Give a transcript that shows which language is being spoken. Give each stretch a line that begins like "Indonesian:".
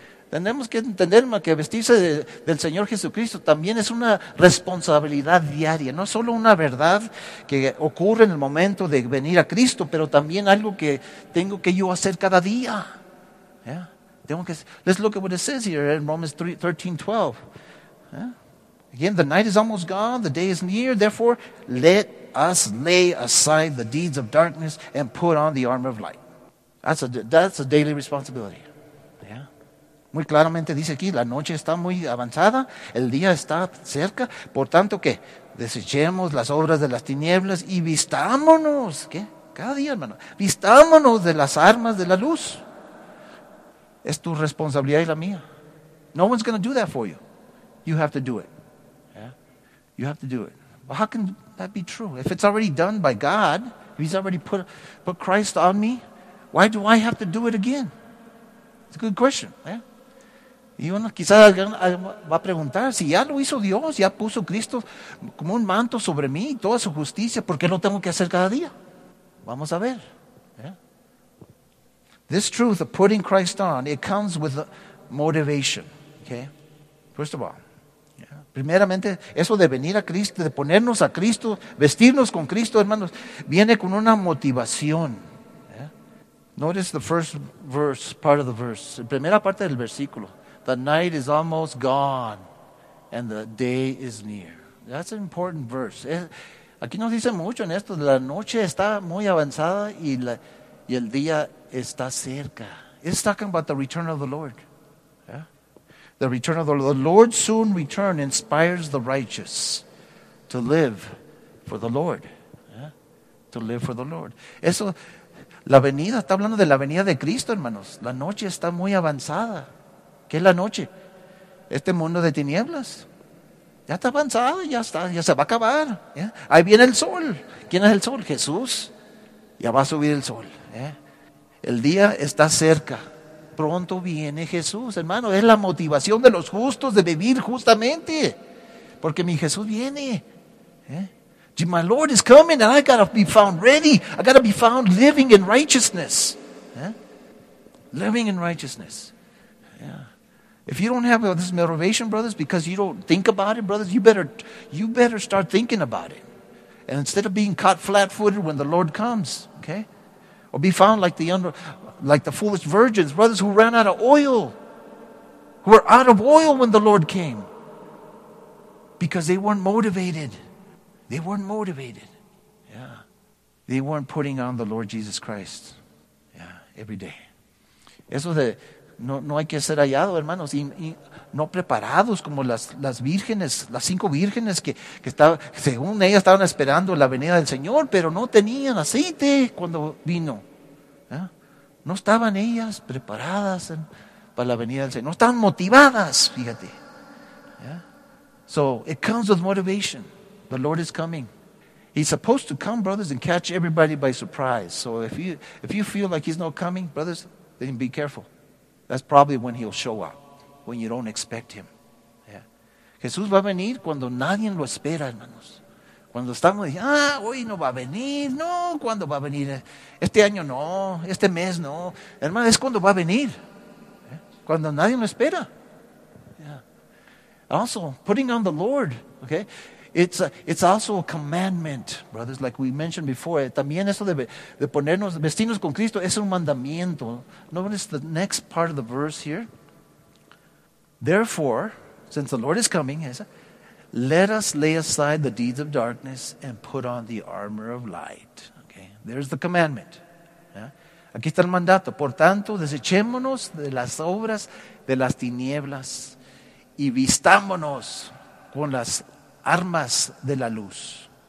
Spanish: Tenemos que entender que vestirse del Señor Jesucristo también es una responsabilidad diaria, no solo una verdad que ocurre en el momento de venir a Cristo, pero también algo que tengo que yo hacer cada día.
English: Yeah.
Spanish: Tengo que,
English: let's look at what it says here in Romans 13:12. Yeah. Again, the night is almost gone, the day is near, therefore let us lay aside the deeds of darkness and put on the armor of light. That's a daily responsibility.
Spanish: Muy claramente dice aquí, la noche está muy avanzada, el día está cerca, por tanto que desechemos las obras de las tinieblas y vistámonos, ¿qué? Cada día, hermano, vistámonos de las armas de la luz. Es tu responsabilidad y la mía.
English: No one's going to do that for you. You have to do it. Yeah. You have to do it. Well, how can that be true? If it's already done by God, if he's already put Christ on me, why do I have to do it again? It's a good question, yeah.
Spanish: Y uno quizás va a preguntar, si ya lo hizo Dios, ya puso Cristo como un manto sobre mí y toda su justicia, ¿por qué lo tengo que hacer cada día? Vamos a ver. Yeah.
English: This truth of putting Christ on, it comes with motivation. Okay? First of all. Yeah.
Spanish: Primeramente, eso de venir a Cristo, de ponernos a Cristo, vestirnos con Cristo, hermanos, viene con una motivación.
English: Yeah. Notice the first verse, part of the verse.
Spanish: La primera parte del versículo.
English: The night is almost gone, and the day is near. That's an important verse.
Spanish: Aquí nos dice mucho en esto. La noche está muy avanzada, y el día está cerca.
English: It's talking about the return of the Lord. Yeah? The return of the Lord. The Lord's soon return inspires the righteous to live for the Lord. Yeah? To live for the Lord.
Spanish: Eso, la venida, está hablando de la venida de Cristo, hermanos. La noche está muy avanzada. ¿Qué es la noche? Este mundo de tinieblas. Ya está avanzado, ya está, ya se va a acabar. ¿Eh? Ahí viene el sol. ¿Quién es el sol? Jesús. Ya va a subir el sol. ¿Eh? El día está cerca. Pronto viene Jesús, hermano. Es la motivación de los justos de vivir justamente. Porque mi Jesús viene. ¿Eh?
English: My Lord is coming and I gotta be found ready. I gotta be found living in righteousness. ¿Eh? Living in righteousness. If you don't have this motivation, brothers, because you don't think about it, brothers, you better start thinking about it. And instead of being caught flat-footed when the Lord comes, okay? Or be found like the foolish virgins, brothers who ran out of oil, who were out of oil when the Lord came. Because they weren't motivated. They weren't motivated. Yeah. They weren't putting on the Lord Jesus Christ. Yeah, every day.
Spanish: Eso de... No hay que ser hallado, hermanos, y no preparados como las vírgenes, las cinco vírgenes que estaba, según ellas estaban esperando la venida del Señor, pero no tenían aceite cuando vino. ¿Eh? No estaban ellas preparadas para la venida del Señor, no estaban motivadas, fíjate. ¿Eh?
English: So, it comes with motivation. The Lord is coming. He's supposed to come, brothers, and catch everybody by surprise. So, if you feel like he's not coming, brothers, then be careful. That's probably when he'll show up, when you don't expect him. Yeah.
Spanish: Jesús va a venir cuando nadie lo espera, hermanos. Cuando estamos, hoy no va a venir. No, ¿cuándo va a venir? Este año no, este mes no. Hermano, es cuando va a venir. Yeah. Cuando nadie lo espera. Yeah.
English: Also, putting on the Lord, okay? It's also a commandment, brothers, like we mentioned before.
Spanish: También eso de ponernos vestirnos con Cristo es un mandamiento.
English: Notice the next part of the verse here. Therefore, since the Lord is coming, let us lay aside the deeds of darkness and put on the armor of light. Okay, there's the commandment. Yeah?
Spanish: Aquí está el mandato. Por tanto, desechémonos de las obras de las tinieblas y vistámonos con las armas de la luz.